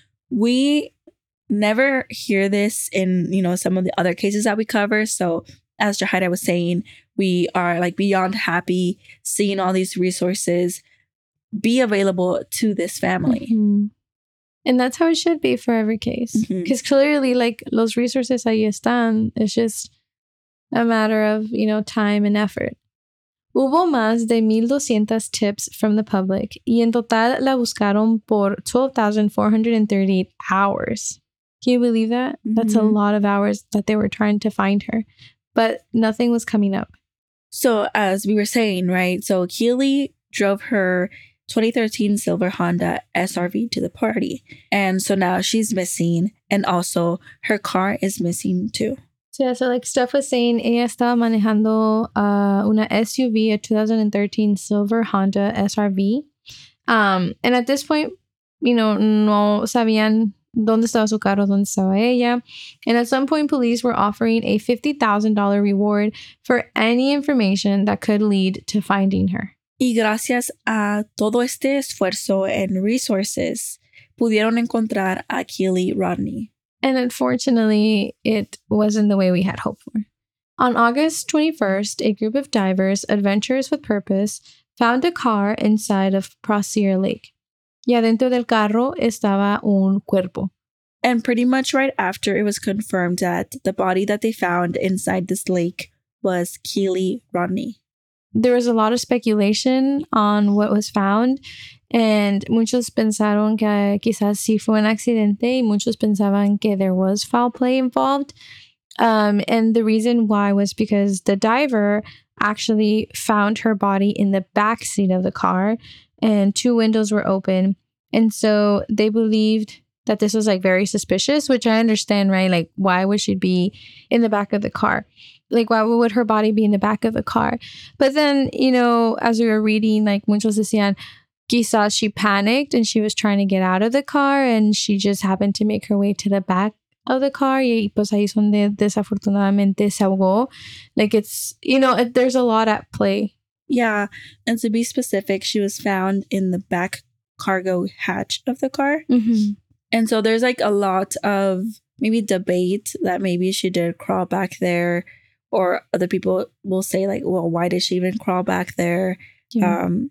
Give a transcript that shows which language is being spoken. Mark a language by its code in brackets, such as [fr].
[en] We never hear this in, you know, some of the other cases that we cover. So, as Jahida was saying, we are, like, beyond happy seeing all these resources be available to this family. Mm-hmm. And that's how it should be for every case. Because mm-hmm. clearly, like, los resources [es] ahí están. [en] It's just a matter of, you know, time and effort. [es] Hubo más de [en] 1,200 tips from the public. Y en total la buscaron por 12,438 hours. Can you believe that? Mm-hmm. That's a lot of hours that they were trying to find her. But nothing was coming up. So as we were saying, right? So Keely drove her 2013 silver Honda SRV to the party. And so now she's missing. And also her car is missing too. So yeah, so like Steph was saying, [es] ella estaba manejando una SUV, [en] a 2013 silver Honda SRV. And at this point, you know, [es] no sabían dónde estaba su carro, dónde estaba ella. [en] And at some point, police were offering a $50,000 reward for any information that could lead to finding her. [es] Y gracias a todo este esfuerzo [en] and resources, [es] pudieron encontrar a Keely Rodney. [en] And unfortunately, it wasn't the way we had hoped for. On August 21st, a group of divers, adventurers with purpose, found a car inside of Prosser Lake. [es] Y adentro del carro estaba un cuerpo. [en] And pretty much right after, it was confirmed that the body that they found inside this lake was Keely Rodney. There was a lot of speculation on what was found. [es] And muchos pensaron que quizás sí fue un accidente. Y muchos pensaban que [en] there was foul play involved. And the reason why was because the diver actually found her body in the back seat of the car. And two windows were open. And so they believed that this was like very suspicious, which I understand, right? Like, why would she be in the back of the car? Like, why would her body be in the back of the car? But then, you know, as we were reading, like, [es] muchos decían, [en] quizás she panicked and she was trying to get out of the car and she just happened to make her way to the back of the car. [es] Y pues ahí es donde desafortunadamente se ahogó. [en] Like, it's, you know, there's a lot at play. Yeah. And to be specific, she was found in the back cargo hatch of the car. Mm-hmm. And so there's like a lot of maybe debate that maybe she did crawl back there, or other people will say like, well, why did she even crawl back there? Yeah.